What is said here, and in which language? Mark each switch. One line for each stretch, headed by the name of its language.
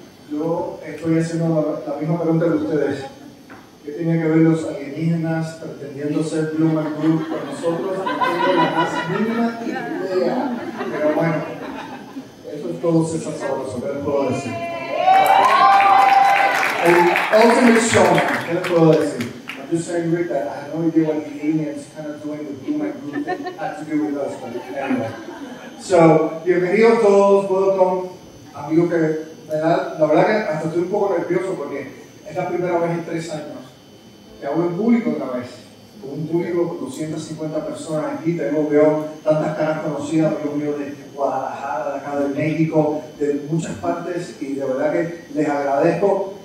Spanish: Yo estoy haciendo la misma pregunta que ustedes. ¿Qué tiene que ver los alienígenas pretendiendo ser Blue Group con nosotros? No tengo la más mínima idea. Pero bueno, eso es todo César Sabroso, ¿qué les puedo decir? El
English: ultimate show,
Spanish: ¿qué les puedo decir?
English: I'm just saying, Rick, that I have no idea what the aliens kind of doing with Blue Man Group had to do with us, but anyway.
Spanish: So, bienvenidos todos,
English: welcome,
Spanish: amigo que, la verdad que hasta estoy un poco nervioso porque es la primera vez en 3 años que hago en público otra vez, con un público con 250 personas aquí, tengo que ver tantas caras conocidas, amigos míos de Guadalajara, de acá de México, de muchas partes, y de verdad que les agradezco.